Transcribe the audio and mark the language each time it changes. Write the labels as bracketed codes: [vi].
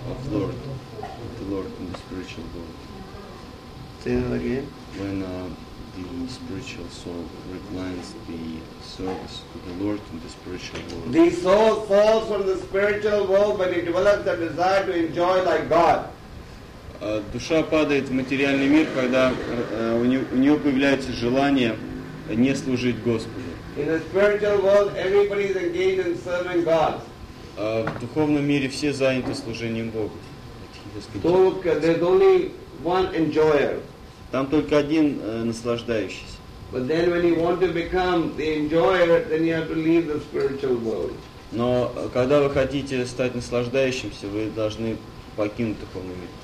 [en] Of the Lord. Of the Lord in the spiritual world. Say that again. When the spiritual soul declines the service to the Lord in the spiritual world. The soul falls from the spiritual world when he develops a desire to enjoy like God. [ru] Душа падает в материальный мир, когда у нее появляется желание не служить Господу. [en] In the spiritual world, everybody is engaged in serving God. [ru] В духовном мире все заняты служением Богу. [en] There's only one enjoyer. [ru] Там только один наслаждающийся. [en] But then when you want to become the enjoyer, then you have to leave the spiritual world. [ru] Но когда вы хотите стать наслаждающимся, вы должны покинуть духовный мир.